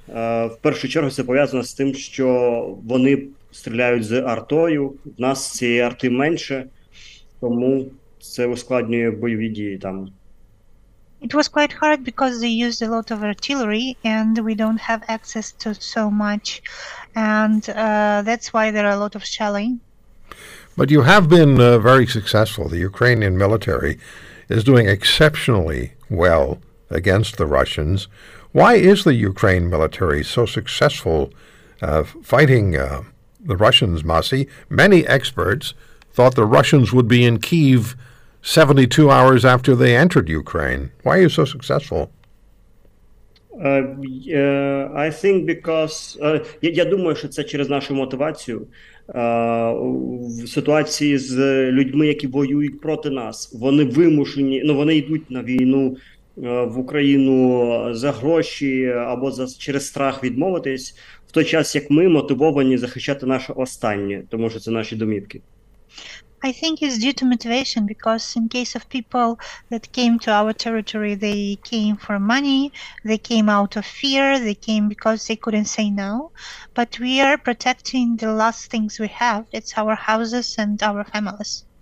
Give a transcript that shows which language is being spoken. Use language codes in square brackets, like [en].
[uk] В першу чергу це пов'язано з тим, що вони стріляють з артою, в нас цієї арти менше, тому це ускладнює бойові дії там. [en] It was quite hard because they used a lot of artillery and we don't have access to so much, and that's why there are a lot of shelling. But you have been very successful. The Ukrainian military is doing exceptionally well against the Russians. Why is the Ukraine military so successful fighting the Russians, Masih? Many experts thought the Russians would be in Kyiv 72 hours after they entered Ukraine. Why are you so successful? I think because [uk] я думаю, що це через нашу мотивацію. В ситуації з людьми, які воюють проти нас, вони вимушені, ну вони йдуть на війну в Україну за гроші або за через страх відмовитись, в той час як ми мотивовані захищати наше останнє, тому що це наші домівки. [en] I think it's due to motivation, because in case of people that came to our territory, they came for money, they came out of fear, they came because they couldn't say no. But we are protecting the last things we have. It's our houses and our families.